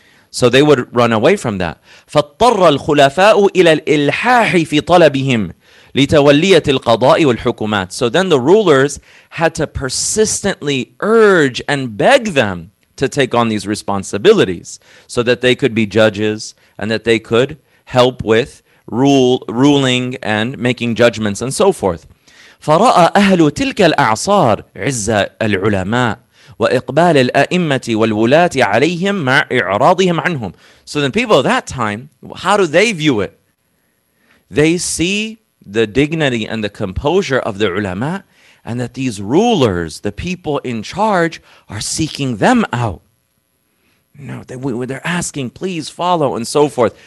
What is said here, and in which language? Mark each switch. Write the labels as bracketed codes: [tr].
[en] So they would run away from that. [ar] فَاتَّرَّ الْخُلَفَاءُ إِلَى الْإِلْحَاحِ فِي طَلَبِهِمْ لِتَوَلِّيَةِ الْقَضَاءِ وَالْحُكُمَاتِ. [en] So then the rulers had to persistently urge and beg them to take on these responsibilities so that they could be judges and that they could help with ruling and making judgments and so forth. [ar] فَرَأَى أَهْلُ تِلْكَ الْأَعْصَارِ عِزَّ الْعُلَمَاءِ وإقبال الأئمة والولاة عليهم مع إعراضهم عنهم. [en] So the people of that time, how do they view it? They see the dignity and the composure of the ulama, and that these rulers, the people in charge, are seeking them out. No, they're asking, please follow, and so forth.